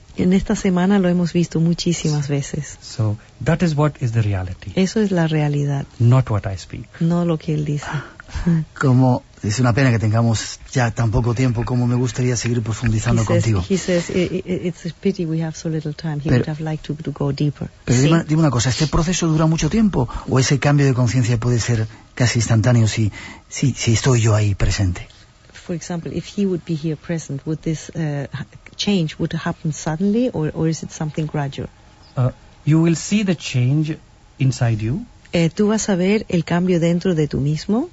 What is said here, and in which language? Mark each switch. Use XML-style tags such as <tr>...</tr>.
<es>En esta semana lo hemos visto muchísimas veces.</es> <en>So that is what is the reality.</en> <es>Eso es la realidad.</es> <en>Not what I speak.</en> <es>No lo que él dice. Como es una pena que tengamos ya tan poco tiempo, como me gustaría seguir profundizando contigo.</es> <en>He says it's a pity we have so little time. He would have liked to go deeper.</en> <es>Pero sí. Dime una cosa, ¿este proceso dura mucho tiempo o ese cambio de conciencia puede ser casi instantáneo si estoy yo ahí presente?</es> <en>For example, if he would be here present, would this change would happen suddenly or is it something gradual? You will see the change inside you.</en> <es>Tú vas a ver el cambio dentro de tú mismo.</es>